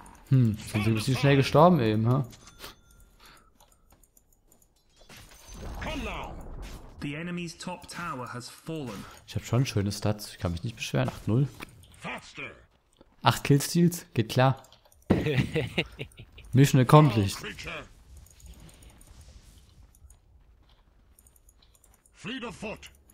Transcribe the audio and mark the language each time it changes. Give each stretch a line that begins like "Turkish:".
German: Hm, sind sie ein bisschen schnell gestorben eben, ha?
English: The enemy's top tower has fallen.
German: Ich hab schon schöne Stats, ich kann mich nicht beschweren. 8-0. 8 Killsteals? Geht klar.
English: Mission accomplished. Fleet of foot.